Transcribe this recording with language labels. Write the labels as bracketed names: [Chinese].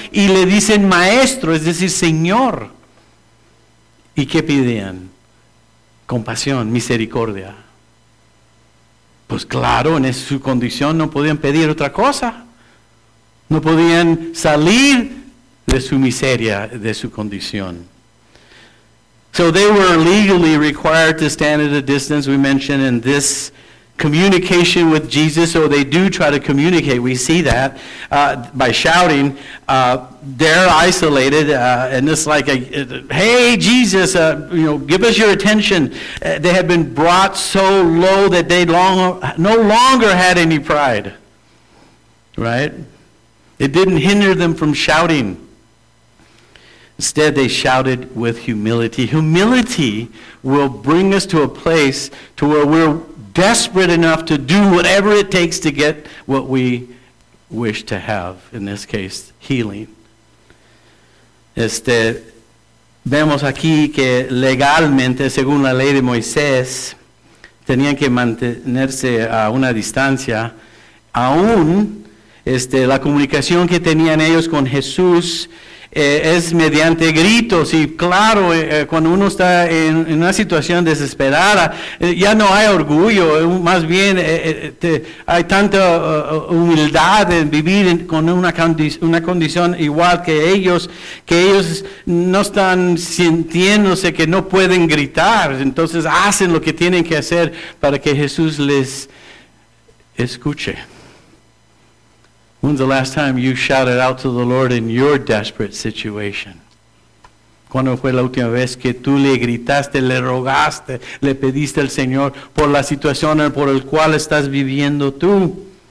[Spanish] Y le dicen, Maestro, es decir, Señor. ¿Y qué pedían? Compasión, misericordia. Pues claro, en su condición no podían pedir otra cosa. No podían salir de su miseria, de su condición. [English] So they were legally required to stand at a distance, we mentioned, in this communication with Jesus. So they do try to communicate. We see that by shouting. They're isolated. And it's like, hey, Jesus, give us your attention. They had been brought so low that they no longer had any pride. Right? It didn't hinder them from shouting. Instead, they shouted with humility. Humility will bring us to a place to where we're desperate enough to do whatever it takes to get what we wish to have. In this case, healing. [Spanish] Vemos aquí que legalmente, según la ley de Moisés, tenían que mantenerse a una distancia. Aún la comunicación que tenían ellos con Jesús es mediante gritos. Y claro, cuando uno está en una situación desesperada, ya no hay orgullo. Más bien, hay tanta humildad en vivir con una condición igual que ellos, que ellos no están sintiéndose que no pueden gritar. Entonces, hacen lo que tienen que hacer para que Jesús les escuche. [English] When's the last time you shouted out to the Lord in your desperate situation? [Spanish] ¿Cuándo fue la última vez que tú le gritaste, le rogaste, le pediste al Señor por la situación por la cual estás viviendo tú?